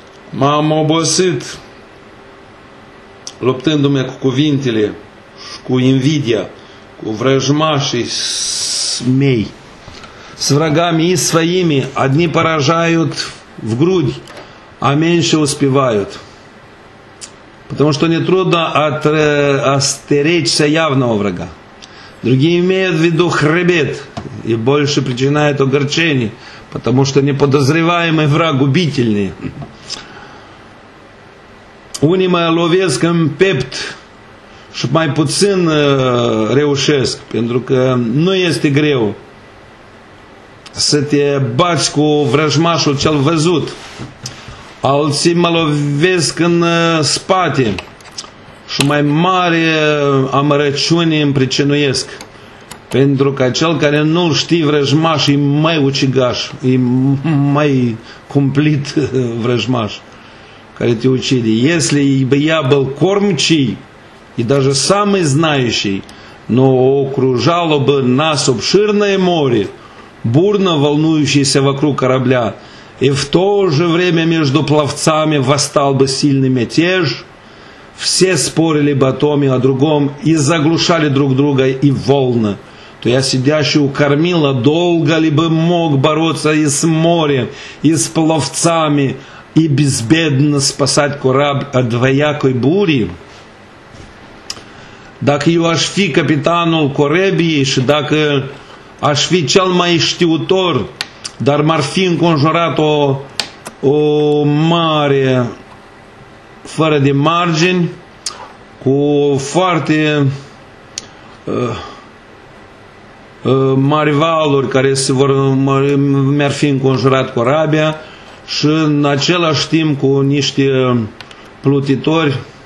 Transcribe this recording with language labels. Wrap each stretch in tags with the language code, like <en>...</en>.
<ro>M-am obosit, luptându-mă cu cuvintele, cu invidia, cu vrăjmașii mei,</ro> <ru>с врагами и своими, одни поражают в грудь, а меньше успевают. Потому что нетрудно остеречься явного врага. Другие имеют в виду хребет и больше причиняют огорчение, потому что неподозреваемый враг убительный.</ru> <ro>Unima lovesc în pept și mai puțin reușesc, pentru că nu este greu să te bați cu vrăjmașul cel văzut. Alții mă lovesc în spate și mai mare amărăciune îmi pricinuiesc, pentru că cel care nu-l știe vrăjmaș e mai ucigaș, e mai cumplit vrăjmaș care te ucide.</ro> <ru>Если бы я был кормчий и даже самый знающий, но окружало бы нас обширное море, бурно волнующееся вокруг корабля, и в то же время между пловцами восстал бы сильный мятеж, все спорили бы о том и о другом и заглушали друг друга и волны, то я, сидящий у кормила, долго ли бы мог бороться и с морем, и с пловцами, и безбедно спасать корабль от двоякой бури?</ru> <ro>Dacă eu aș fi capitanul corabiei și dacă aș fi cel mai știutor, dar m-ar fi înconjurat o mare fără de margini, cu foarte mari valuri care se vor, mi-ar fi înconjurat corabia și în același timp cu niște plutitori,</ro>